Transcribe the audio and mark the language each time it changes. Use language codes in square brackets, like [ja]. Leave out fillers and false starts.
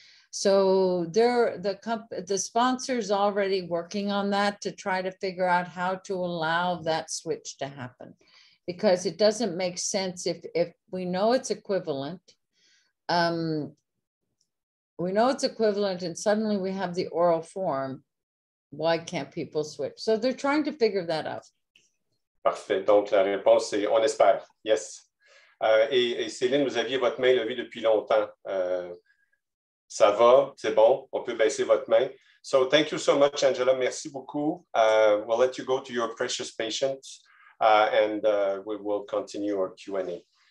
[en] So the sponsor's already working on that to try to figure out how to allow that switch to happen, because it doesn't make sense if we know it's equivalent. We know it's equivalent and suddenly we have the oral form. Why can't people switch? So they're trying to figure that out. [fr] Parfait. Donc la réponse est on espère. [en] Yes. [fr] Et Céline, vous aviez votre main levée depuis longtemps. Ça va, c'est bon, on peut baisser votre main. [en] So thank you so much, Angela. [fr] Merci beaucoup. [en] We'll let you go to your precious patients and we will continue our Q&A.